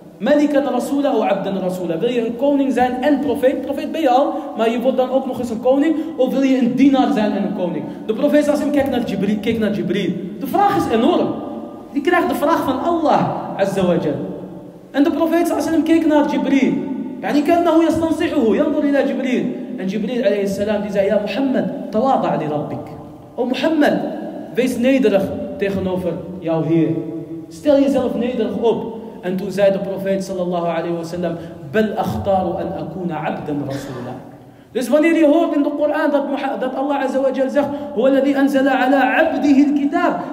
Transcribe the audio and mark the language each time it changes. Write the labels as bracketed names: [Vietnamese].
[Arabic] Malikan rasula aw 'abdan rasula. [Dutch] Wil je een koning zijn en profeet? Profeet ben je al, maar je wordt dan ook nog eens een koning. Of wil je een dienaar zijn en een koning? De profeet sallallahu alayhi wa sallam kijkt naar Jibril. De vraag is enorm. Die krijgt de vraag van Allah azza wa jal. En de profeet sallallahu alayhi wa sallam keek naar Jibril. [Arabic] يعني كأنه يستنصحه ينظر إلى جبريل. أن جبريل عليه السلام يقول: يا محمد تواضع لربك. أو محمد [Dutch] wees nederig tegenover jouw heer. Stel jezelf nederig op. En toen zei de profeet sallallahu alayhi wa sallam: [Arabic] بل أختار أن أكون عبدا رسولا. [Dutch] Dus wanneer je hoort in de Koran dat Allah Azza wa Jal zegt: [Arabic] هو الذي أنزل على عبده الكتاب.